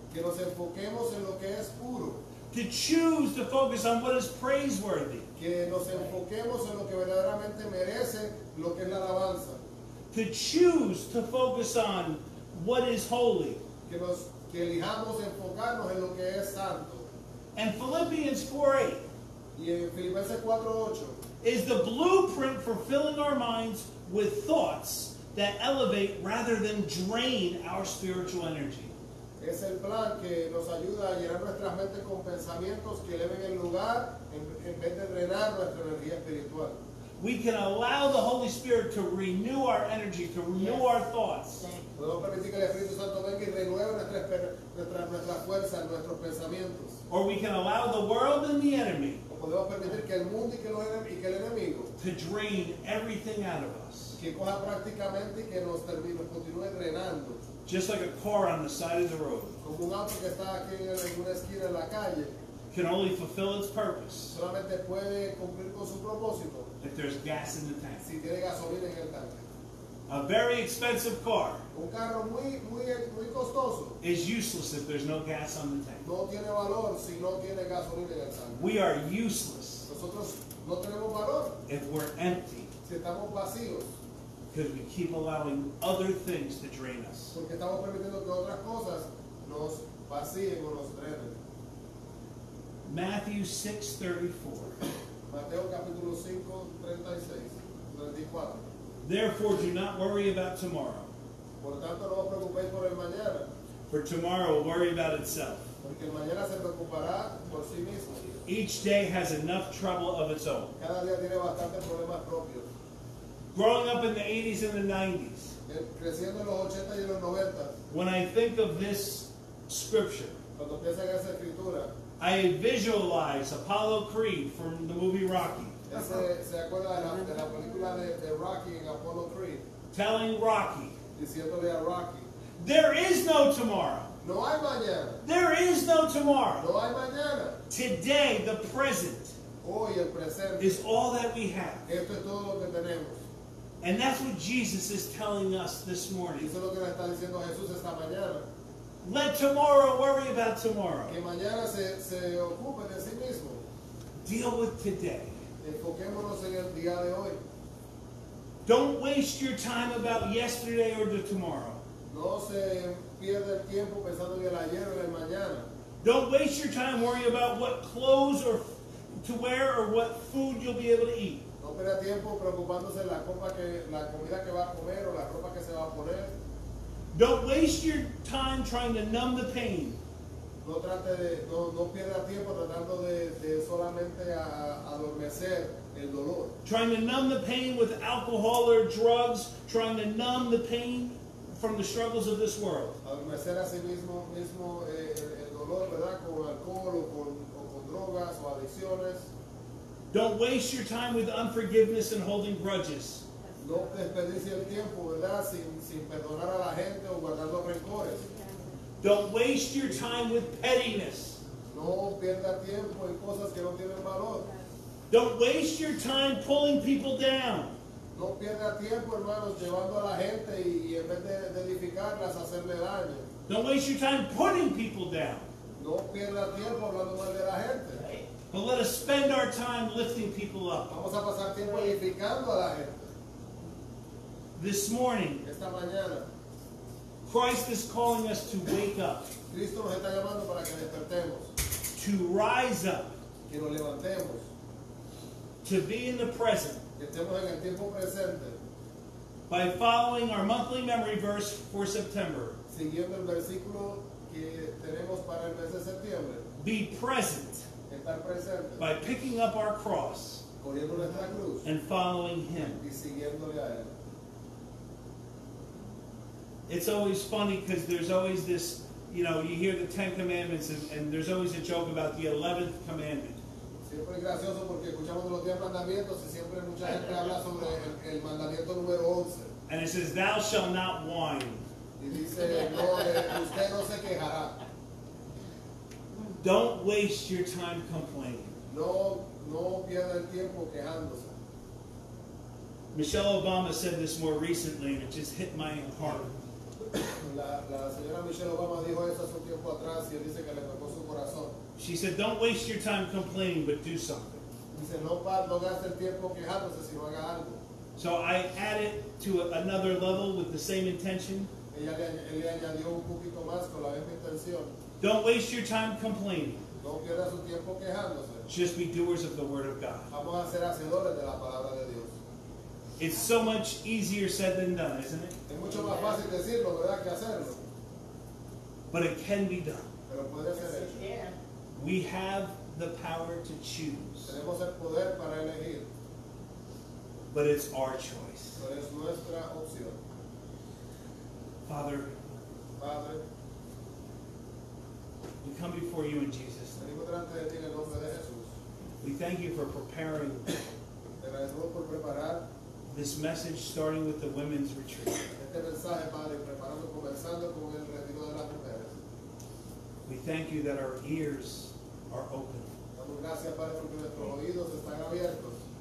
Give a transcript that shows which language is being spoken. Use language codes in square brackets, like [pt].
[es] Que nos enfoquemos en lo que es puro. [en] To choose to focus on what is praiseworthy. [es] Que nos enfoquemos en lo que verdaderamente merece lo que es la alabanza. [en] To choose to focus on what is holy. [es] Que elijamos enfocarnos en lo que es santo. [en] And Philippians 4:8. [es] Y en Filipenses 4:8. [en] Is the blueprint for filling our minds with thoughts that elevate rather than drain our spiritual energy. [es] Es el plan que nos ayuda a llenar nuestras mentes con pensamientos que eleven el lugar en vez de drenar nuestra energía espiritual. [en] We can allow the Holy Spirit to renew our energy, to renew our thoughts. [es] Podemos permitir que el Espíritu Santo venga y renueve nuestra fuerza, nuestros pensamientos. [en] Or we can allow the world and the enemy. [es] Podemos permitir que el mundo y que el enemigo [en] to drain everything out of us. [es] Que coja prácticamente y que nos termine, continúe drenando. [en] Just like a car on the side of the road. [es] Como un auto que está aquí en una esquina en la calle. [en] Can only fulfill its purpose. [es] Solamente puede cumplir con su propósito. [en] If there's gas in the tank. [es] Si tiene gasolina en el tanque. [en] A very expensive car. [es] Un carro muy costoso. [en] Is useless if there's no gas on the tank. [es] No tiene valor si no tiene gasolina en el tanque. [en] We are useless. [es] Nosotros no tenemos valor. [en] If we're empty. [es] Si estamos vacíos. [en] Because we keep allowing other things to drain us. [es] Porque estamos permitiendo que otras cosas nos vacíen o nos drenen. [en] Matthew 6:34. [es] Mateo capítulo 5:34. [en] Therefore, do not worry about tomorrow. [es] Por tanto, no os preocupéis por el mañana. [en] For tomorrow will worry about itself. [es] Porque el mañana se preocupará por sí mismo. [en] Each day has enough trouble of its own. [es] Cada día tiene bastantes problemas propios. [en] Growing up in the 80s and the 90s. [es] Creciendo en los 80 y los 90. [en] When I think of this scripture. [es] Cuando pienso en esa escritura. [en] I visualize Apollo Creed from the movie Rocky. [es] ¿Se acuerda de la película de Rocky en Apollo Creed? [en] Telling Rocky. [es] Diciéndole a Rocky. [en] There is no tomorrow. [es] No hay mañana. [en] There is no tomorrow. [es] No hay mañana. [en] Today, the present. [es] hoy, el presente, [en] is all that we have. [es] Esto es todo lo que tenemos. [en] And that's what Jesus is telling us this morning. [es] Eso es lo que nos está diciendo Jesús esta mañana. [en] Let tomorrow worry about tomorrow. [es] Que mañana se ocupe de sí mismo. [en] Deal with today. [es] Enfoquémonos en el día de hoy. [en] Don't waste your time about yesterday or the tomorrow. [es] No se pierda el tiempo pensando en el ayer o el mañana. [en] Don't waste your time worrying about what clothes or to wear or what food you'll be able to eat. [es] No pierda tiempo preocupándose en la comida que va a comer o la ropa que se va a poner. [en] Don't waste your time trying to numb the pain. [es] No pierda tiempo tratando de solamente adormecer el dolor. [en] Trying to numb the pain with alcohol or drugs, trying to numb the pain from the struggles of this world. [es] Adormecer a sí mismo el dolor, ¿verdad? Con alcohol o con drogas o adicciones. [en] Don't waste your time with unforgiveness and holding grudges. [es] No desperdicie el tiempo, ¿verdad? Sin perdonar a la gente o guardar los rencores. [en] Don't waste your time with pettiness. [es] No pierda tiempo en cosas que no tienen valor. [en] Don't waste your time pulling people down. [es] No pierda tiempo, hermanos, llevando a la gente y en vez de edificarlas, hacerle daño. [en] Don't waste your time putting people down. [es] No pierda tiempo hablando mal de la gente. [en] But let us spend our time lifting people up. [es] Vamos a pasar tiempo edificando a la gente. [en] This morning, [es] esta mañana, [en] Christ is calling us to wake up. [es] Cristo nos está llamando para que despertemos. [en] To rise up. [es] Que nos levantemos. [en] To be in the present. [es] Que estemos en el tiempo presente. [en] By following our monthly memory verse for September. [es] Siguiendo el versículo que tenemos para el mes de septiembre. [en] Be present. [es] Estar presente. [en] By picking up our cross. [es] Cogiendo nuestra cruz. [en] And following Him. [es] Y siguiéndole a Él. [en] It's always funny because there's always this, you know, you hear the Ten Commandments and there's always a joke about the 11th commandment. [es] Siempre es gracioso porque escuchamos los 10 mandamientos y siempre mucha gente habla sobre el mandamiento número 11. [en] And it says, thou shall not whine. [es] Y dice, no, usted no se quejará. [en] Don't waste your time complaining. [es] No pierda el tiempo quejándose. [en] Michelle Obama said this more recently and it just hit my heart. [es] La señora Michelle Obama dijo eso hace un tiempo atrás y dice que le tocó su corazón. [en] She said, don't waste your time complaining, but do something. [es] Dice, no gaste el tiempo quejándose, sino haga algo. [en] So I added to another level with the same intention. [es] Ella añadió un poquito más con la misma intención. [en] Don't waste your time complaining. [es] No pierda su tiempo quejándose. [en] Just be doers of the Word of God. [es] Vamos a ser hacedores de la palabra de Dios. [en] It's so much easier said than done, isn't it? [es] Es mucho más fácil decirlo, ¿verdad?, que hacerlo. [en] But it can be done. [es] Pero puede ser hecho. [en] We have the power to choose. [es] Tenemos el poder para elegir. [en] But it's our choice. [es] Pero es nuestra opción. [en] Father, we come before you in Jesus' name. [es] Venimos delante de ti en el nombre de Jesús. [en] We thank you for preparing. [es] Te agradecemos por preparar. [en] This message starting with the women's retreat. [es] Este mensaje, Padre, preparando, conversando con el retiro de las mujeres. [en] We thank you that our ears are open. [es] Damos gracias, Padre, porque nuestros oídos están abiertos.